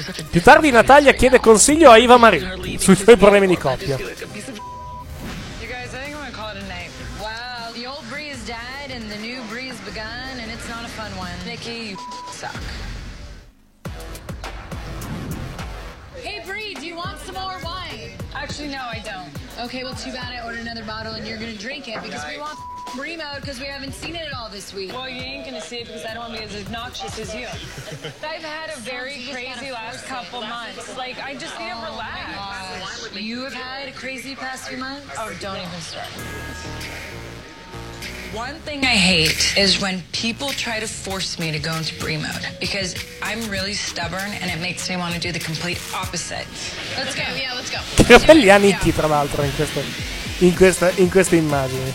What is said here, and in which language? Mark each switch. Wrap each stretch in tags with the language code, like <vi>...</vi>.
<it>Più tardi Natalia chiede consiglio a Eva Marie sui suoi problemi di coppia.</it> <en>Hey Bree, do you want some more wine? Actually, no, I don't. Okay, well, too bad. I ordered another bottle, and you're gonna drink it because we want Bree mode because we haven't seen it at all this week. Well, you ain't gonna see it because I don't want to be as obnoxious as you. I've had a very crazy last couple months. Like, I just need to relax. My gosh. You have had a crazy past few months? Oh, don't even start. One thing I hate is when people try to force me to go into Bree mode because I'm really stubborn and it makes me want to do the complete opposite. Let's go. Yeah, let's go.</en> <it>Che belli amici, tra l'altro, in questa immagine.</it>